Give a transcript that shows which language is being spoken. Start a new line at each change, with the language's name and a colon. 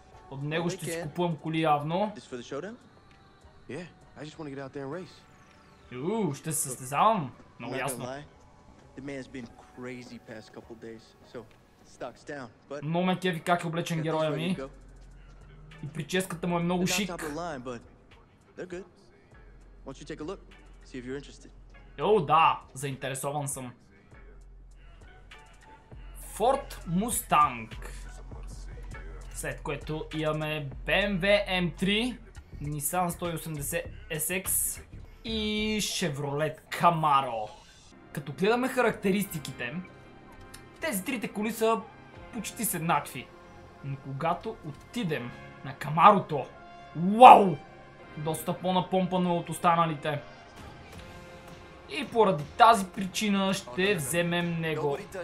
Bulgarian: От него ще си купувам коли явно.
English: This for the showdown? Yeah, I just want to get out there and race.
Bulgarian: Ooh, ще се състезавам. Много ясно.
English: The man's been crazy past couple days, so stock's down.
Bulgarian: But но ме кефи как е облечен героя ми. И прическата му е много шик.
English: They're good. Won't you take a look? See if you're interested.
Bulgarian: Йоу, да, заинтересован съм.
English: Ford Mustang.
Bulgarian: След което имаме BMW M3, Nissan 180SX и Chevrolet Camaro. Като гледаме характеристиките, тези трите коли са почти еднакви. Но когато отидем на Камарото, вау! Доста по-напомпано от останалите. И поради тази причина ще вземем него.